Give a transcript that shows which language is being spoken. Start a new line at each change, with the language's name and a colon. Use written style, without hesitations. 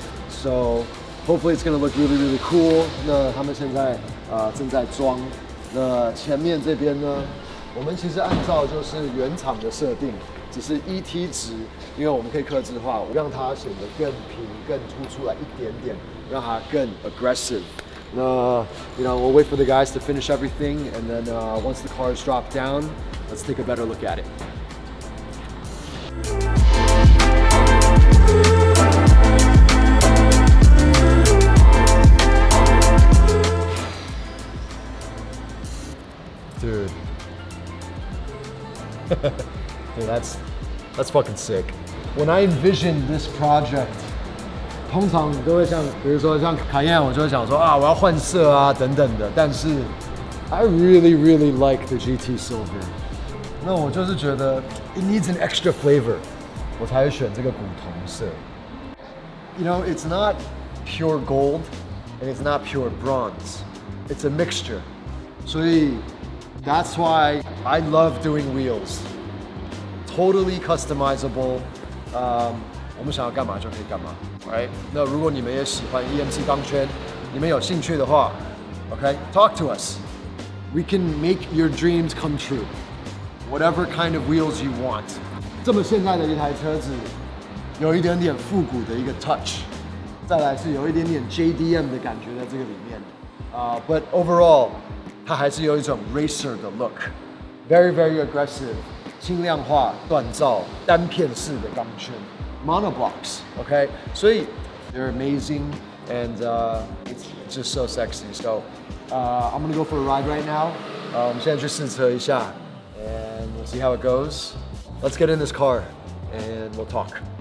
English: So hopefully it's gonna look really really cool。
Chinese: 那他们现在正在装。那前面这边呢，我们其实按照就是原厂的设定。只是 ET 值，因为我们可以客制化，让它显得更平、更凸出来一点点，让它更 aggressive。
English: 那 you know we'll wait for the guys to finish everything, and then once the car is dropped down, let's take a better look at it。 Dude, that's fucking sick. When I envisioned this project,
Chinese: 通常都会像，比如说像卡宴，我就会想说啊，我要换色啊等等的。但是
English: ，I really really like the GT Silver。
Chinese: 那我就是觉得
English: it needs an extra flavor，
Chinese: 我才会选这个古铜色。
English: You know, it's not pure gold, and it's not pure bronze. It's a mixture. So that's why I love doing wheels. Totally customizable.
Chinese: 我们想要干嘛就可以干嘛 ，
English: right？
Chinese: 那如果你们也喜欢 EMC 钢圈，你们有兴趣的话 ，OK，
English: talk to us. We can make your dreams come true. Whatever kind of wheels you want.
Chinese: 这么现代的一台车子。有一点点复古的一个 touch， 再来是有一点点 JDM 的感觉在这个里面，
English: but overall，
Chinese: 它还是有一种 racer 的 look，
English: very very aggressive，
Chinese: 轻量化、锻造、单片式的钢圈，
English: monoblocks， OK， 所以 they're amazing and it's just so sexy， so I'm gonna go for a ride right now，
Chinese: 我们现在去试车一下，
English: and we'll see how it goes， let's get in this car and we'll talk。